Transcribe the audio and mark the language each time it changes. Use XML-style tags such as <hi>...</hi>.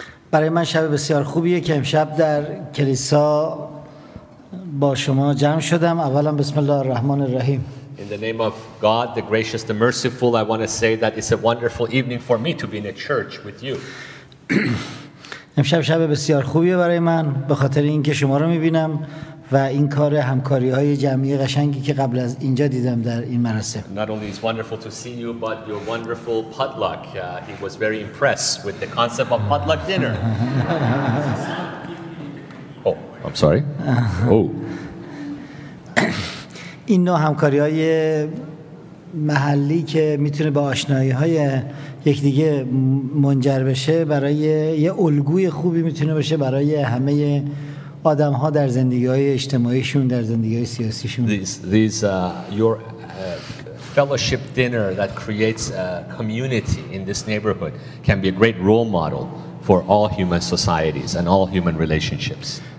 <fa>برای من شب بسیار خوبیه که امشب در کلیسا با شما جمع شدم.</fa> <ar>اولا بسم الله الرحمن الرحیم.</ar> <en>In the name of God, the gracious, the merciful, I want to say that it's a wonderful evening for me to be in a church with you.</en> <fa>امشب شب بسیار خوبیه برای من به خاطر اینکه شما رو می‌بینم و این کار همکاری‌های جمعی قشنگی که قبل از اینجا دیدم در این مراسم.</fa> <en>Not only is wonderful to see you, but your wonderful potluck. He was very impressed with the concept of potluck dinner. Oh, I'm sorry. Oh.</en> <fa>این نوع همکاری‌های محلی که می‌تونه با آشنایی‌های یک دیگه منجر بشه برای یه الگوی خوبی می‌تونه بشه برای همه آدم‌ها در زندگی‌های اجتماعیشون در زندگی‌های سیاسیشون.</fa> <en>Your fellowship dinner that creates a community in this neighborhood can be a great role model for all human societies and all human relationships.</en>